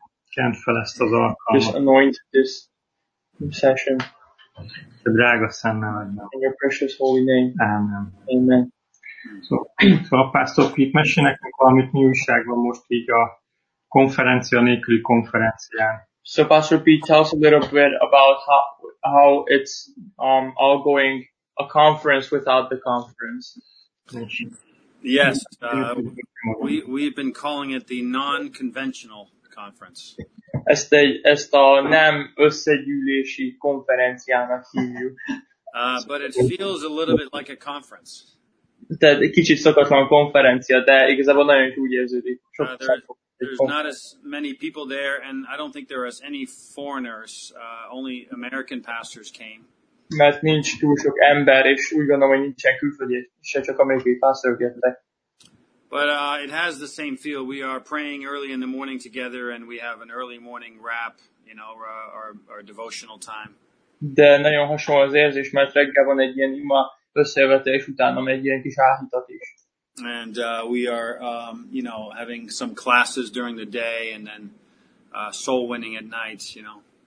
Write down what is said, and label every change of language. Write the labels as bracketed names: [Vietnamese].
[Hungarian] Kent fel ezt az alkalmat. [English] Just anoint this session. [Hungarian] Te drága szennemedben. [English] In your precious holy name. Amen. Amen. [Hungarian] Szóval Pásztor Pete, mesélj nekünk valamit, mi újság van most így a konferencia nélküli konferencián. [English] So Pastor Pete, tell us a little bit about how it's all going, a conference without the conference. Yes, we've been calling it the non-conventional conference. [Hungarian] Ezt a nem összegyűlési konferenciának hívjuk. [English] But it feels a little bit like a conference. [Hungarian] Tehát egy kicsit szokatlan konferencia, de igazából nagyon úgy érződik. [English] There's not as many people there, and I don't think there are any foreigners. Only American pastors came. [Hungarian] Mert nincs túl sok ember, és úgy gondolom, hogy nincsen külföldi, se csak amerikai pastor jöttek. [English] But it has the same feel. We are praying early in the morning together, and we have an early morning wrap, you know, our devotional time. [Hungarian] De nagyon hasonló az érzés, mert reggel van egy ilyen ima összejövetés, utána egy ilyen kis áhítatás. [English] And we are, you know, having some classes during the day and then soul winning at night, you know.